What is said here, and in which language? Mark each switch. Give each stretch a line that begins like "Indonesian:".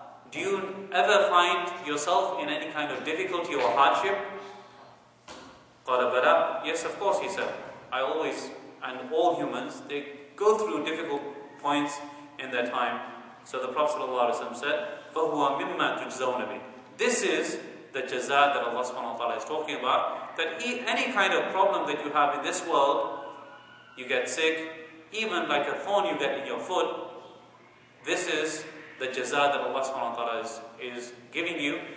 English: Do you ever find yourself in any kind of difficulty or hardship?
Arabic: قَالَ بَلَى.
English: Yes, of course, he said. I always, and all humans, they go through difficult points in their time. So the Prophet ﷺ said,
Arabic: فَهُوَ مِمَّا تُجْزَوْنَ بِهِ.
English: This is the jaza that Allah subhanahu wa ta'ala is talking about, that any kind of problem that you have in this world, you get sick, even like a thorn you get in your foot, This is the jaza that Allah subhanahu wa ta'ala is giving you.